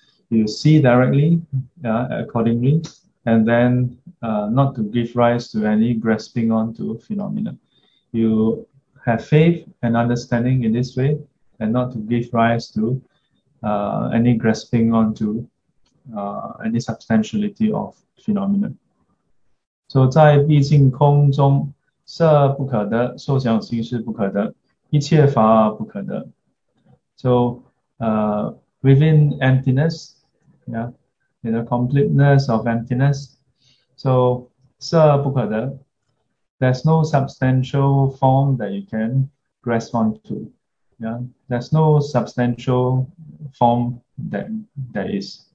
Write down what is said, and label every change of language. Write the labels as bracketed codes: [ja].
[en] You see directly, accordingly, and then not to give rise to any grasping onto phenomena. You have faith and understanding in this way, and not to give rise to any grasping onto any substantiality of phenomena. [zh] So, 在毕竟空中，色不可得，受想行识不可得，一切法不可得. [en] So, within emptiness, yeah, in the completeness of emptiness, so [zh] 色不可得, [en] there's no substantial form that you can grasp onto. Yeah, there's no substantial form that is.